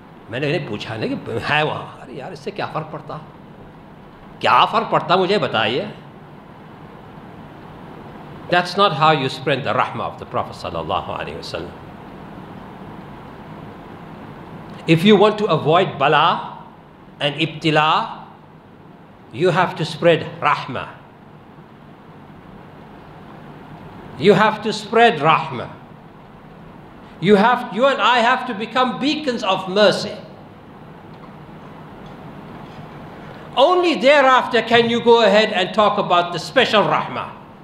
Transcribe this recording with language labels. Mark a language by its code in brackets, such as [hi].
[ur] میں نے انہیں پوچھا نا کہ ہے وہاں, ارے یار اس سے کیا فرق پڑتا, کیا فرق پڑتا مجھے بتائیے. [en] That's not how you spread the رحمہ of the prophet صلی اللہ علیہ وسلم. If you want to avoid بلا اینڈ ابتلا, یو ہیو ٹو اسپریڈ رحمہ. You have to spread rahmah. You and I have to become beacons of mercy. Only thereafter can you go ahead and talk about the special rahmah.